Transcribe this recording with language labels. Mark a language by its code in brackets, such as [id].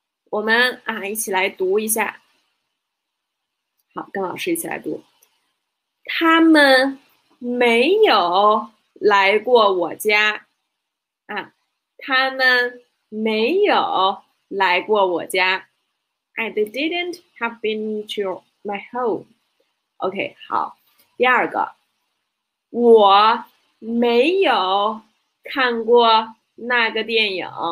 [zh] 我们啊，一起来读一下。好，跟老师一起来读。他们没有来过我家啊，他们没有来过我家。 [en] 哎，they didn't have been to my home. [zh] OK，好。第二个，我没有看过那个电影。